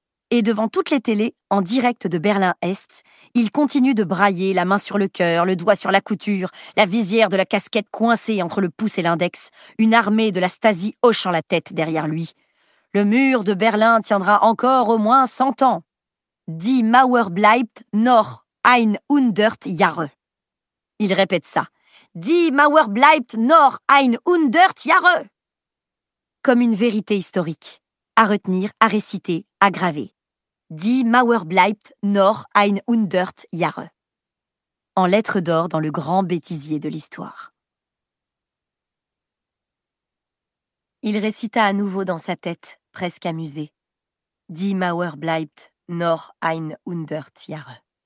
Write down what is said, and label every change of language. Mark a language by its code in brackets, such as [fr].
[fr] Et devant toutes les télés, en direct de Berlin-Est, ils continuent de brailler, la main sur le cœur, le doigt sur la couture, la visière de la casquette coincée entre le pouce et l'index, une armée de la Stasi hochant la tête derrière lui. Le mur de Berlin tiendra encore au moins 100 ans. [de] Die Mauer bleibt noch ein hundert Jahre. [fr] Il répète ça. [de] Die Mauer bleibt noch ein hundert Jahre. [fr] Comme une vérité historique. À retenir, à réciter, à graver. [de] Die Mauer bleibt noch ein hundert Jahre. [fr] En lettres d'or dans le grand bêtisier de l'histoire. Il récita à nouveau dans sa tête, presque amusé. [de] Die Mauer bleibt noch ein hundert Jahre.